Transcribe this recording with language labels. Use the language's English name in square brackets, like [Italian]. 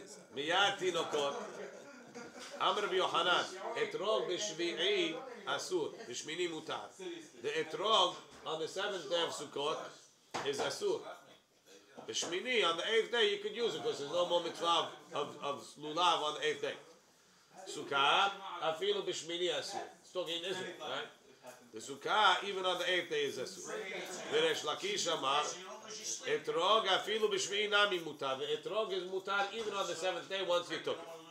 [Hebrew] מיד תינוקות. אמר ביוחנן, אתרוג בשביעי אסור, בשמיני מותר. [English] ואתרוג, on the seventh day of Sukkot, is אסור. בשמיני, on the eighth day, you could use it, because there's no more mitzvah of lulav on the eighth day. [Hebrew] Sukkah, אפילו בשמיני אסור. [English] It's talking Israel, right? The Sukkah, even on the eighth day, is אסור. [Hebrew] וריש לקיש אמר, אתרוג אפילו בשמיני נמי מותר, ואתרוג is מותר [English] even on the seventh day, once you took it.